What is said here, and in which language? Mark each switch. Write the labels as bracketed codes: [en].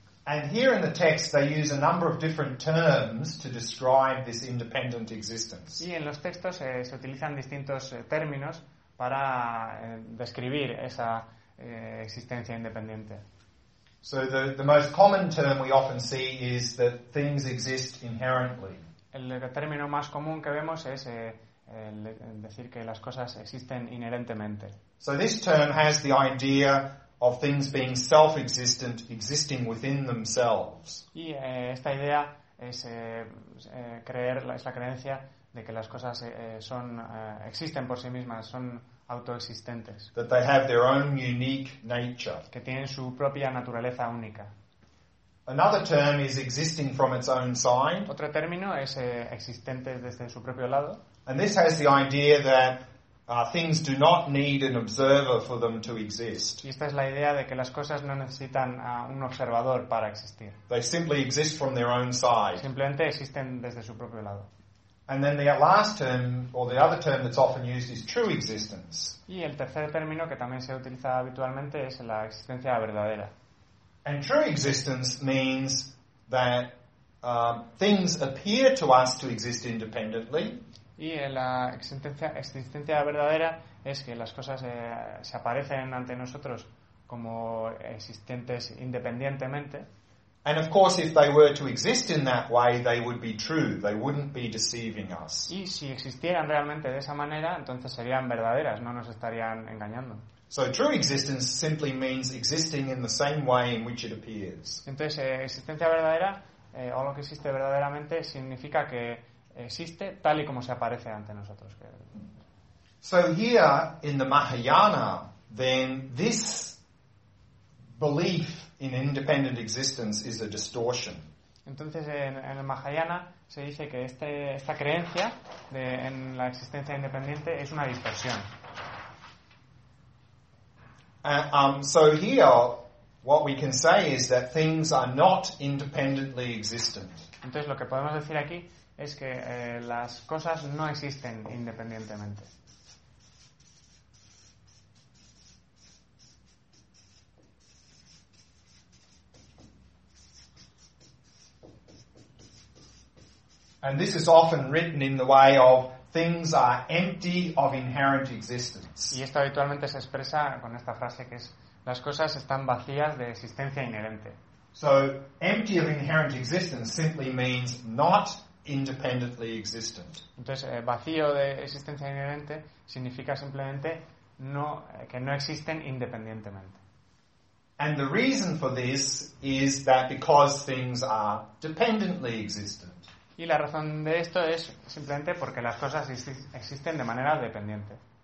[en] And here in the text they use a number of different terms to describe this independent existence. [es] Y en los textos se utilizan distintos términos para describir esa existencia independiente. [en] So the most common term we often see is that things exist inherently. [es] El término más común que vemos es decir que las cosas existen inherentemente. [en] So this term has the idea of things being self-existent, existing within themselves. [es] Y esta idea es creer, es la creencia de que las cosas son existen por sí mismas, son autoexistentes. [en] That they have their own unique nature. [es] Que tienen su propia naturaleza única. [en] Another term is existing from its own side. [es] Otro término es existente desde su propio lado. [en] And this has the idea that things do not need an observer for them to exist. [es] Y esta es la idea de que las cosas no necesitan a un observador para existir. [en] They simply exist from their own side. [es] Simplemente existen desde su propio lado. [en] And then the last term, or the other term that's often used, is true existence. [es] Y el tercer término que también se utiliza habitualmente es la existencia verdadera. [en] And true existence means that things appear to us to exist independently. [es] Y la existencia verdadera es que las cosas se aparecen ante nosotros como existentes independientemente. [en] And of course, if they were to exist in that way, they would be true. They wouldn't be deceiving us. [es] Y si existieran realmente de esa manera, entonces serían verdaderas, no nos estarían engañando. [en] So true existence simply means existing in the same way in which it appears. [es] Entonces, existencia verdadera, o lo que existe verdaderamente, significa que existe tal y como se aparece ante nosotros. [en] So here in the Mahayana, then this belief in independent existence is a distortion. [es] Entonces en el Mahayana se dice que esta creencia en la existencia independiente es una distorsión. [en] So here what we can say is that things are not independently existent. [es] Entonces lo que podemos decir aquí es que las cosas no existen independientemente. [en] And this is often written in the way of things are empty of inherent existence. [es] Y esto habitualmente se expresa con esta frase que es las cosas están vacías de existencia inherente. [en] So, empty of inherent existence simply means not independently existent. [es] Entonces, vacío de existencia inherente significa simplemente no, que no existen independientemente. [en] And the reason for this is that because things are dependently existent. [es] Y la razón de esto es simplemente porque las cosas existen de manera dependiente.